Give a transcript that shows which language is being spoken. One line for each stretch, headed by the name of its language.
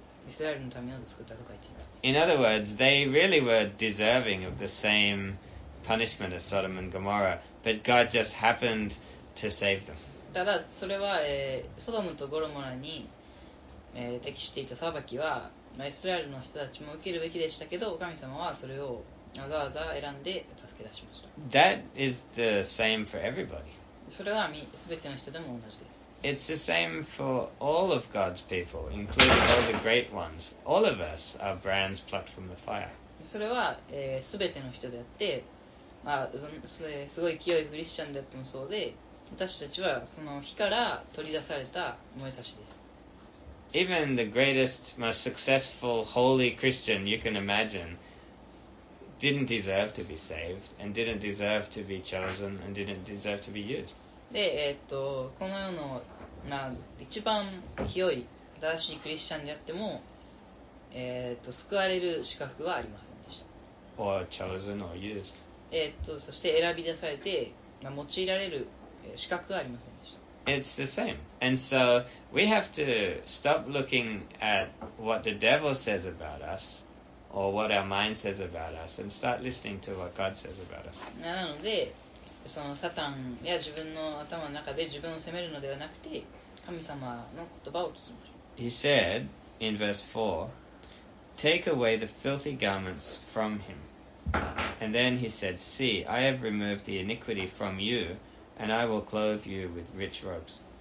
Japanese: イスラエルのためにを作ったと書いています。
English: In other words, they really were deserving of the same punishment as Sodom and Gomorrah, but God just happened to save them.
Japanese: ただそれは、ソドムとゴロモラに、適していた裁きは、まあ、イスラエルの人たちも受けるべきでしたけど、神様はそれをわざわざ選んで助け出しました。
English: That is the same for everybody.
Japanese: それはすべての人でも同じです。
English: It's the same for all of God's people, including all the great ones. All of us are brands plucked from the fire.
Japanese: それは、すべての人であって、まあ、すごい清いクリスチャンであってもそうで、私たちはその火から取り出された燃え差しです。
English: Even the greatest, most successful, holy Christian you can imagine didn't deserve to be saved, and didn't deserve to be chosen, and didn't deserve to be used.
Japanese: で、この世の、まあ、一番清い正しいクリスチャンであっても、救われる資格はありませんでした。
English: Or chosen or used.
Japanese: そして選び出されて、まあ、用いられる資格はありませんでした。
English: It's the same. And so we have to stop looking at what the devil says about us or what our mind says about us and start listening to what God says about us.
Japanese: なのでそのサタンや自分の頭の中で自分を責めるのではなくて神様の言葉を聞きます。
English: He said in verse 4, Take away the filthy garments from him. And then he said, See, I have removed the iniquity from you, and I will clothe you with rich robes.